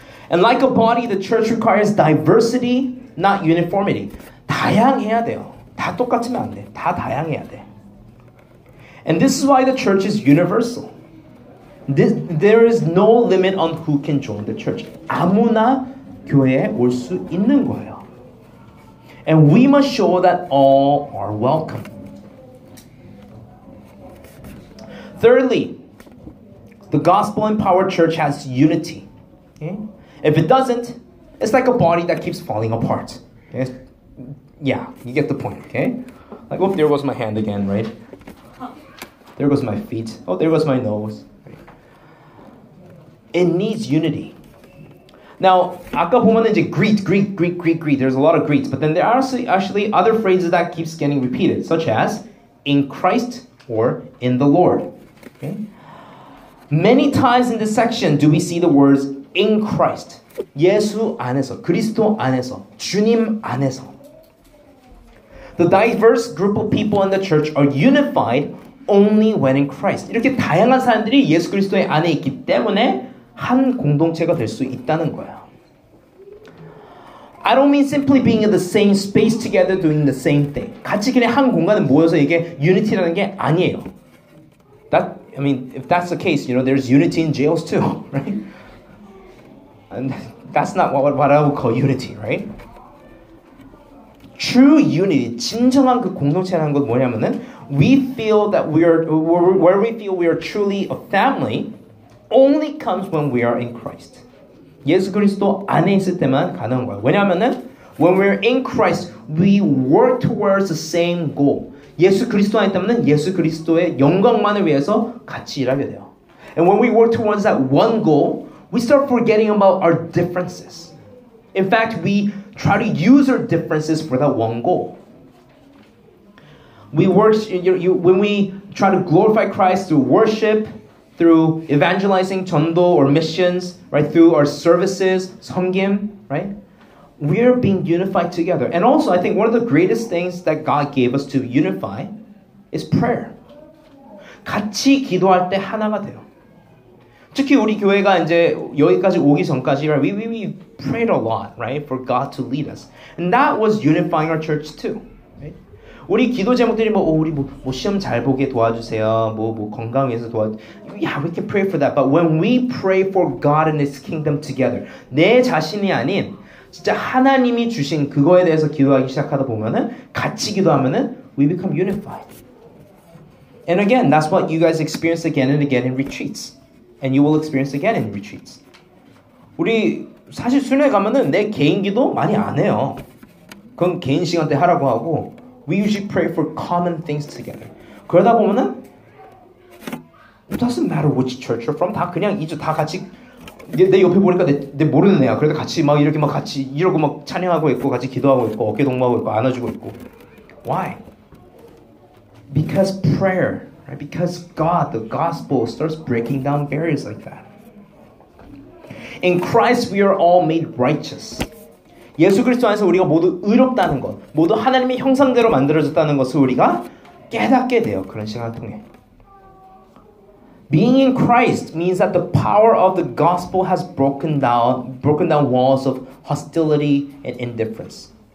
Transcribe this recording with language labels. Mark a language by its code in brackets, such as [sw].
[en] And like a body, the church requires diversity, not uniformity. [ko] 다양해야 돼요. 다 똑같으면 안 돼. 다 다양해야 돼. [en] And this is why the church is universal. There is no limit on who can join the church. [ko] 아무나 교회에 올 수 있는 거예요. [en] And we must show that all are welcome. Thirdly, the gospel-empowered church has unity. Okay? If it doesn't, it's like a body that keeps falling apart. Okay? Yeah, you get the point, okay? Like, oh, there goes my hand again, right? There goes my feet. Oh, there goes my nose. It needs unity. Now, [ko] 아까 보면 이제 [en] greet. There's a lot of greets, but then there are actually other phrases that keeps getting repeated, such as in Christ or in the Lord. Okay? Many times in this section do we see the words in Christ. [ko] 예수 안에서, 그리스도 안에서, 주님 안에서. [en] The diverse group of people in the church are unified only when in Christ. [ko] 이렇게 다양한 사람들이 예수 그리스도의 안에 있기 때문에 한 공동체가 될 수 있다는 거야. [en] I don't mean simply being in the same space together doing the same thing. [ko] 같이 그냥 한 공간에 모여서 이게 unity라는 게 아니에요. [en] If that's the case, you know, there's unity in jails too, right? And that's not what I would call unity, right? True unity, [ko] 진정한 그 공동체라는 건 뭐냐면은 [en] we feel we are truly a family. Only comes when we are in Christ. [ko] 예수 그리스도 안에 있을 때만 가능한 거야. 왜냐하면은 [en] when we're in Christ, we work towards the same goal. [ko] 예수 그리스도 안에 있다면은 예수 그리스도의 영광만을 위해서 같이 일하게 돼요. [en] And when we work towards that one goal, we start forgetting about our differences. In fact, we try to use our differences for that one goal. We work when we try to glorify Christ through worship. Through evangelizing, 전도, or missions, right? Through our services, 성김, right? We are being unified together. And also, I think one of the greatest things that God gave us to unify is prayer. [ko] 같이 기도할 때 하나가 돼요. 특히 우리 교회가 이제 여기까지 오기 전까지, [en] right? We prayed a lot, right? For God to lead us. And that was unifying our church too. [ko] 우리 기도 제목들이 뭐 우리 뭐 시험 잘 보게 도와주세요. 뭐 건강 위해서 도와주세요. [en] Yeah, we can pray for that. But when we pray for God and His kingdom together, [ko] 내 자신이 아닌 진짜 하나님이 주신 그거에 대해서 기도하기 시작하다 보면은 같이 기도하면은 [en] we become unified. And again, that's what you guys experience again and again in retreats. And you will experience again in retreats. [ko] 우리 사실 순회 가면은 내 개인 기도 많이 안 해요. 그건 개인 시간 때 하라고 하고 [en] We usually pray for common things together. [ko] 그러다 보면은 [en] it doesn't matter which church you're from. [ko] 다 그냥 이제 다 같이 내 옆에 보니까 내 모르는 애야. 그래도 같이 막 이렇게 막 같이 이러고 막 찬양하고 있고 같이 기도하고 있고 어깨 동무하고 있고 안아주고 있고. [en] Why? Because prayer, right? Because God, the gospel starts breaking down barriers like that. In Christ, we are all made righteous. [ko] 예수 그리스도 안에서 우리가 모두 의롭다는 것, 모두 하나님의 형상대로 만들어졌다는 것을 우리가 깨닫게 돼요. 그런 시간을 통해. [en] Being in Christ means that the power of the gospel has broken down walls of hostility and indifference.